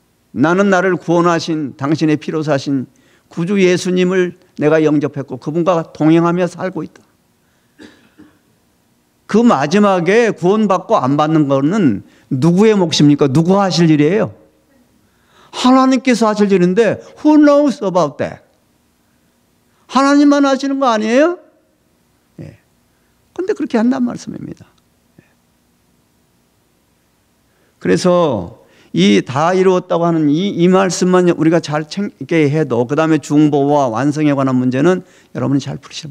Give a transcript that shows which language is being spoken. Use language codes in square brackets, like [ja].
[ko] 나는 나를 구원하신 당신의 피로 사신 구주 예수님을 내가 영접했고 그분과 동행하며 살고 있다. 그 마지막에 구원받고 안 받는 것은 누구의 몫입니까? 누구 하실 일이에요? 하나님께서 하실 일인데 [en] who knows about that? [ko] 하나님만 하시는 거 아니에요? 예. 그런데 그렇게 한단 말씀입니다. 그래서 이 다 이루었다고 하는 이 말씀만 우리가 잘 챙게 해도 그 다음에 중보와 완성에 관한 문제는 여러분이 잘 풀으시죠.